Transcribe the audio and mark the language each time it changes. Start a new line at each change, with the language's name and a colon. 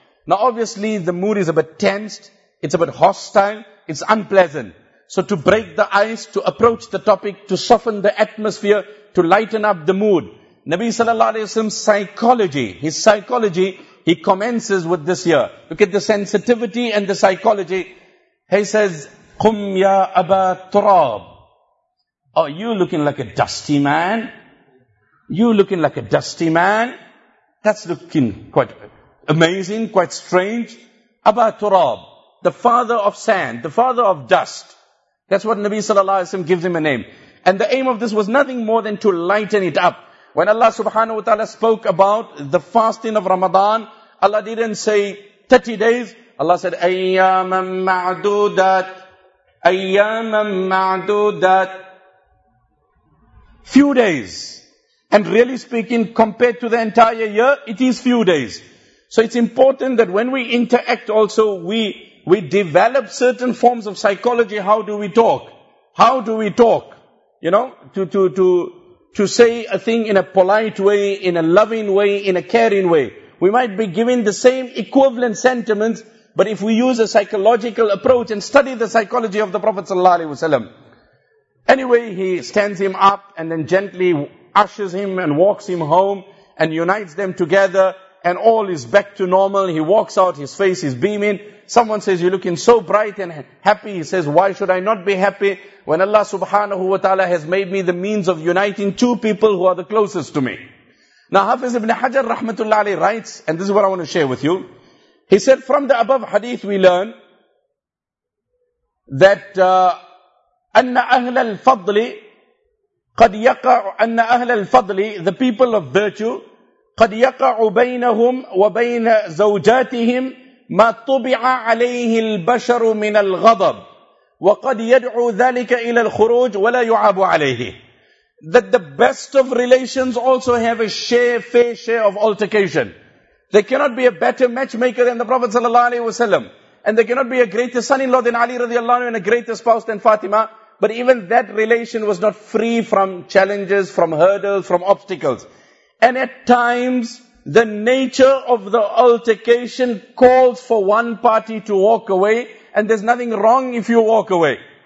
English: Now obviously the mood is a bit tensed, it's a bit hostile, it's unpleasant. So to break the ice, to approach the topic, to soften the atmosphere, to lighten up the mood, Nabi sallallahu alayhi wa sallam's psychology, his psychology, he commences with this here. Look at the sensitivity and the psychology. He says,
Arabic: قُمْ يَا أَبَا تُرَاب.
English: Oh, you looking like a dusty man. You looking like a dusty man. That's looking quite amazing, quite strange.
Arabic: أَبَا تُرَاب.
English: The father of sand, the father of dust. That's what Nabi sallallahu alayhi wa sallam gives him a name. And the aim of this was nothing more than to lighten it up. When Allah subhanahu wa ta'ala spoke about the fasting of Ramadan, Allah didn't say 30 days. Allah said,
Arabic: أَيَّامًا مَعْدُودَاتْ أَيَّامًا مَعْدُودَاتْ.
English: Few days. And really speaking, compared to the entire year, it is few days. So it's important that when we interact also, we develop certain forms of psychology. How do we talk? How do we talk? You know, to say a thing in a polite way, in a loving way, in a caring way. We might be giving the same equivalent sentiments, but if we use a psychological approach and study the psychology of the Prophet sallallahu alaihi wasallam. Anyway, he stands him up and then gently ushers him and walks him home and unites them together, and all is back to normal. He walks out, his face is beaming. Someone says, you're looking so bright and happy. He says, why should I not be happy when Allah subhanahu wa ta'ala has made me the means of uniting two people who are the closest to me? Now Hafiz ibn Hajar rahmatullah alayhi writes, and this is what I want to share with you. He said, from the above hadith we learn that
Arabic: أَنَّ أَهْلَ الْفَضْلِ قَدْ يَقَعُ أَنَّ أَهْلَ الْفَضْلِ
English: The people of virtue,
Arabic: قَدْ يَقَعُ بَيْنَهُمْ وَبَيْنَ زَوْجَاتِهِمْ مَا طُبِعَ عَلَيْهِ الْبَشَرُ مِنَ الْغَضَبِ وَقَدْ يَدْعُ ذَلِكَ إِلَى الْخُرُوجِ وَلَا يُعَابُ عَلَيْهِ
English: That the best of relations also have a share, fair share of altercation. There cannot be a better matchmaker than the Prophet sallallahu alaihi wasallam, and there cannot be a greater son-in-law than Ali radiallahu anhu and a greater spouse than Fatima. But even that relation was not free from challenges, from hurdles, from obstacles. And at times, the nature of the altercation calls for one party to walk away, and there's nothing wrong if you walk away.